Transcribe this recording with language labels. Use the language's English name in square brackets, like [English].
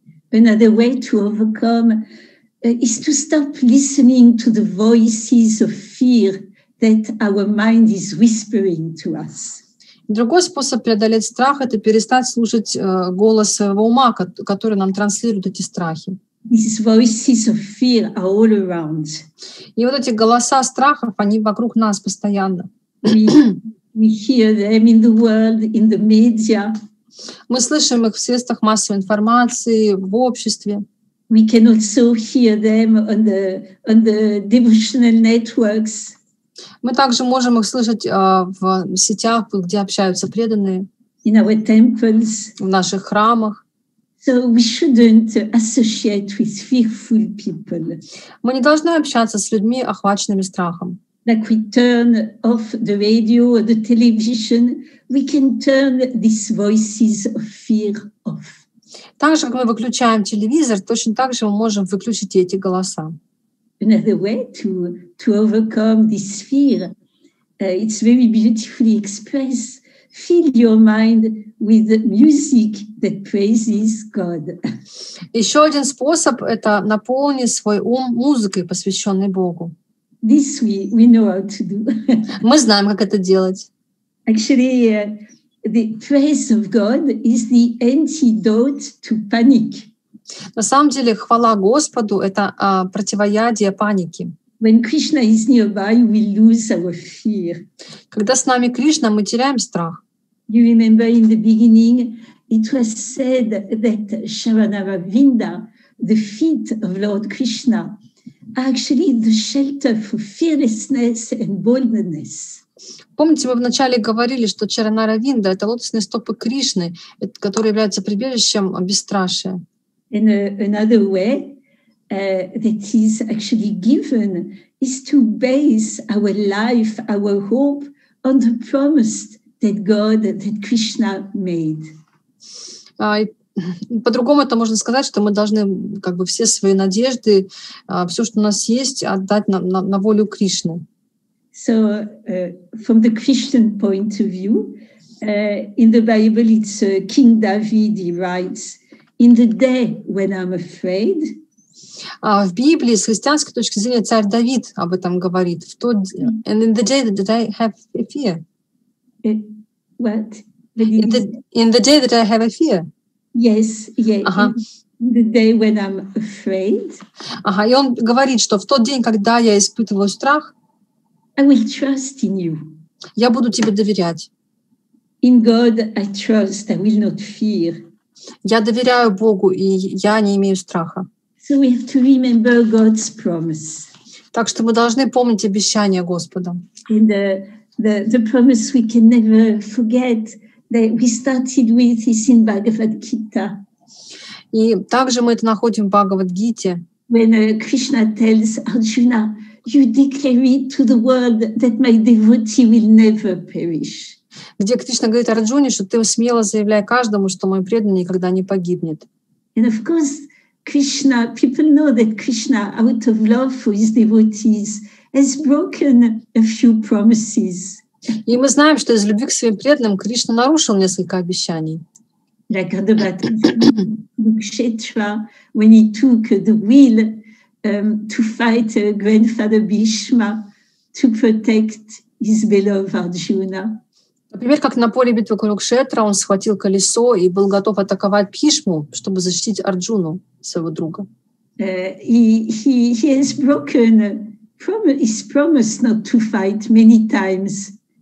[English] Another way to overcome is to stop listening to the voices of fear that our mind is whispering to us. [Russian] Другой способ преодолеть страх — это перестать слушать голос своего ума, который нам транслирует эти страхи. [English] These voices of fear are all around. [Russian] И вот эти голоса страхов, они вокруг нас постоянно. [English] We hear them in the world, in the media. [Russian] Мы слышим их в средствах массовой информации, в обществе. [English] We can also hear them on the devotional networks. [Russian] Мы также можем их слышать в сетях, где общаются преданные. [English] In our temples. [Russian] В наших храмах. [English] So we shouldn't associate with fearful people. [Russian] Мы не должны общаться с людьми, охваченными страхом. [English] Like we turn off the radio or the television, we can turn these voices of fear off. [Russian] Так же, как мы выключаем телевизор, точно так же мы можем выключить эти голоса. [English] Another way to overcome this fear, it's very beautifully expressed, fill your mind with music that praises God. [Russian] Еще один способ — это наполнить свой ум музыкой, посвященной Богу. [English] This we know how to do. [Russian] Мы знаем, как это делать. [English] Actually, the praise of God is the antidote to panic. [Russian] На самом деле, хвала Господу — это противоядие панике. [English] When Krishna is nearby, we lose our fear. [Russian] Когда с нами Кришна, мы теряем страх. [English] You remember in the beginning, it was said that Sharanaravinda, the feet of Lord Krishna, are actually the shelter for fearlessness and boldness. [Russian] Помните, мы вначале говорили, что Чаранаравинда — это лотосные стопы Кришны, которые являются прибежищем бесстрашия. [English] And another way that is actually given is to base our life, our hope on the promise that God, that Krishna made. [Russian] По-другому это можно сказать, что мы должны как бы все свои надежды, все, что у нас есть, отдать на волю Кришны. [English] So, from the Christian point of view, in the Bible, it's King David, he writes, in the day when I'm afraid. [Russian] В Библии, с христианской точки зрения, царь Давид об этом говорит. В тот, [English] and in the day that I have a fear. What? In the day that I have a fear. Yes, yes. In the day when I'm afraid. [Russian] Ага, и он говорит, что в тот день, когда я испытываю страх, [English] I will trust in you. [Russian] Я буду тебе доверять. [English] In God I trust, I will not fear. [Russian] Я доверяю Богу, и я не имею страха. [English] So we have to remember God's promise. [Russian] Так что мы должны помнить обещание Господа. [English] And the promise we can never forget. That we started with is in Bhagavad Gita. [Russian] И также мы это находим в Бхагавад Гите. [English] When Krishna tells Arjuna, "You declare it to the world that my devotee will never perish." [Russian] Где Кришна говорит Арджуне, что ты смело заявляй каждому, что мой преданный никогда не погибнет. [English] And of course, Krishna, people know that Krishna, out of love for his devotees, has broken a few promises. [Russian] И мы знаем, что из любви к своим преданным Кришна нарушил несколько обещаний. [English] Like Adabhata, Kshetra, when he took the wheel to fight grandfather Bhishma to protect his beloved Arjuna. [Russian] Например, как на поле битвы Курукшетра он схватил колесо и был готов атаковать Бхишму, чтобы защитить Арджуну, своего друга. [English] He has broken his promise not to fight many times.